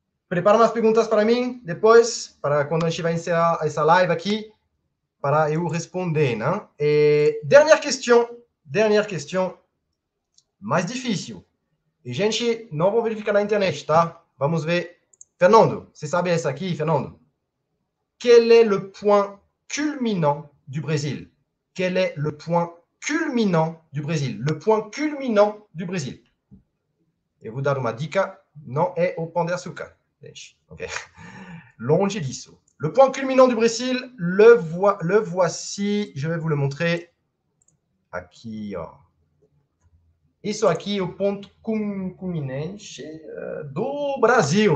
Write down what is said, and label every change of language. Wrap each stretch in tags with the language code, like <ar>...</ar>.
<pt>Prépare umas perguntas para mim, depois, para quando a gente vai encerrar essa live aqui. para eu responder, né? E</pt> <fr>dernière question,</fr> <pt>mais difícil. E gente, não vou verificar na internet, tá? Vamos ver. Fernando, você sabe essa aqui, Fernando?</pt> <fr>Quel est le point culminant du Brésil? Quel est le point culminant du Brésil? Le point culminant du Brésil. Et vous</fr> <pt>dar uma dica, não é o Pão de Açúcar. Gente, ok. Longe disso.</pt> <fr>Le point culminant du Brésil, le voici. Je vais vous le montrer.</fr> <pt>Aqui, ó. Isso aqui é o ponto culminante do Brasil.</pt>